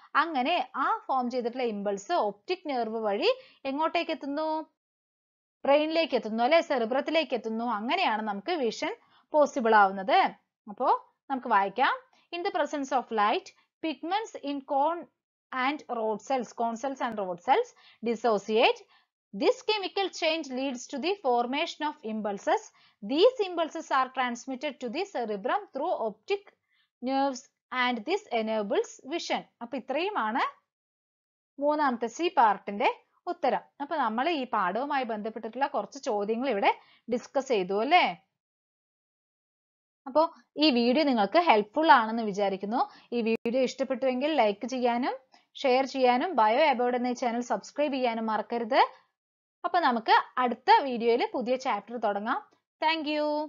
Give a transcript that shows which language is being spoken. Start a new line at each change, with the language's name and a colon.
Malayalam: അങ്ങനെ ആ ഫോം ചെയ്തിട്ടുള്ള ഇമ്പൾസ് ഒപ്റ്റിക് നെർവ് വഴി എങ്ങോട്ടേക്ക് എത്തുന്നു, ബ്രെയിനിലേക്ക് എത്തുന്നു അല്ലെ, സെറിബ്രത്തിലേക്ക് എത്തുന്നു. അങ്ങനെയാണ് നമുക്ക് വിഷൻ പോസിബിൾ ആവുന്നത്. അപ്പോ നമുക്ക് വായിക്കാം,
English: In the presence of light pigments in cone and rod cells, cone cells and rod cells dissociate, This chemical change leads to the formation of impulses. These impulses are transmitted to the cerebrum through optic nerves and this enables vision.
Malayalam: അപ്പോൾ ഇത്രയുമാണ് മൂന്നാമത്തെ C പാർട്ടിന്റെ ഉത്തരം. അപ്പോൾ നമ്മൾ ഈ പാഠവുമായി ബന്ധപ്പെട്ടിട്ടുള്ള കുറച്ച് ചോദ്യങ്ങൾ ഇവിടെ ഡിസ്കസ് ചെയ്തു അല്ലേ. അപ്പോൾ ഈ വീഡിയോ നിങ്ങൾക്ക് ഹെൽപ്ഫുൾ ആണെന്ന് വിചാരിക്കുന്നു. ഈ വീഡിയോ ഇഷ്ടപ്പെട്ടുവെങ്കിൽ ലൈക്ക് ചെയ്യാനും ഷെയർ ചെയ്യാനും ബയോ അബോർഡ് എന്ന ചാനൽ സബ്സ്ക്രൈബ് ചെയ്യാനും മറക്കരുത്. അപ്പോൾ നമുക്ക് അടുത്ത വീഡിയോയിൽ പുതിയ ചാപ്റ്റർ തുടങ്ങാം. Thank you.